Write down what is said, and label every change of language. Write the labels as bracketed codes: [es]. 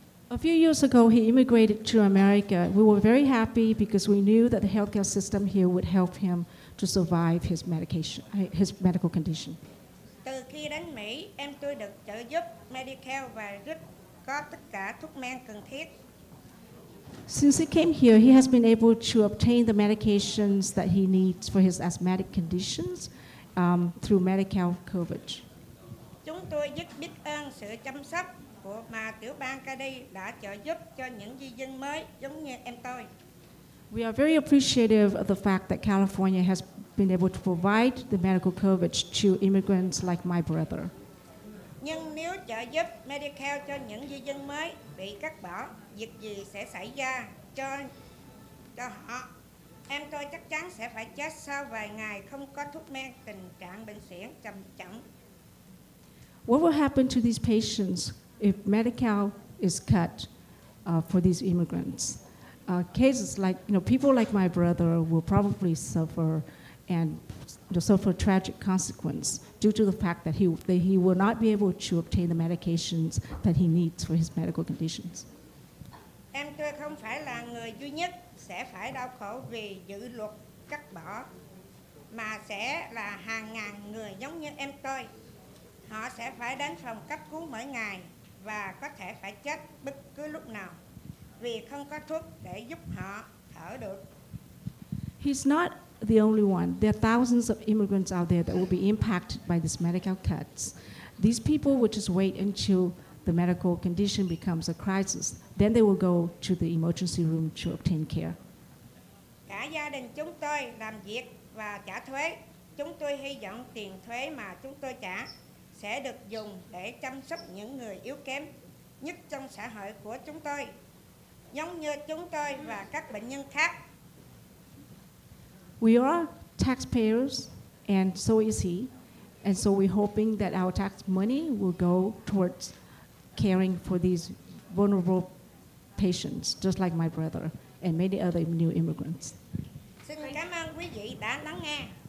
[en] A few years ago, he immigrated to America. We were very happy because we knew that the healthcare system here would help him to survive his medical condition. [vi] Từ khi đến Mỹ, em tôi được trợ giúp Medicare và rất có tất cả thuốc men cần thiết. [en] Since he came here, he has been able to obtain the medications that he needs for his asthmatic conditions through Medicare coverage. [vi] Chúng tôi rất biết ơn sự chăm sóc của mà tiểu bang Cady đã trợ giúp cho những di dân mới giống như em tôi. [en] We are very appreciative of the fact that California has been able to provide the medical coverage to immigrants like my brother. [vi] Nhưng nếu trợ giúp Medicare cho những di dân mới bị cắt bỏ, việc gì sẽ xảy ra cho họ? Em tôi chắc chắn sẽ phải chết sau vài ngày không có thuốc men, tình trạng bệnh suyễn trầm trọng. [en] What will happen to these patients if Medicare is cut for these immigrants? Cases like, you know, people like my brother will probably suffer and suffer tragic consequences due to the fact that he will not be able to obtain the medications that he needs for his medical conditions. [vi] Em tôi không phải là người duy nhất sẽ phải đau khổ vì dự luật cắt bỏ, mà sẽ là hàng ngàn người giống như em tôi. Họ sẽ phải đến phòng cấp cứu mỗi ngày và có thể phải chết bất cứ lúc nào vì không có thuốc để giúp họ thở được. [en] He's not the only one. There are thousands of immigrants out there that will be impacted by these medical cuts. These people will just wait until the medical condition becomes a crisis, then they will go to the emergency room to obtain care. [vi] Cả gia đình chúng tôi làm việc và trả thuế. Chúng tôi hy vọng tiền thuế mà chúng tôi trả sẽ được dùng để chăm sóc những người yếu kém nhất trong xã hội của chúng tôi, giống như chúng tôi và các bệnh nhân khác. [en] We are taxpayers, and so is he. And so we're hoping that our tax money will go towards caring for these vulnerable patients, just like my brother and many other new immigrants. [vi] Xin cảm ơn quý vị đã lắng nghe.